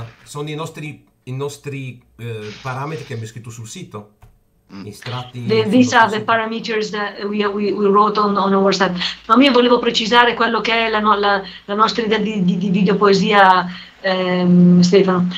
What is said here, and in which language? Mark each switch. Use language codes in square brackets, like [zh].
[it] sono i nostri parametri che abbiamo scritto sul sito. [en] These are the parameters that we wrote on our site. [it] Ma io volevo precisare quello che è la nostra idea di videopoesia, Stefano.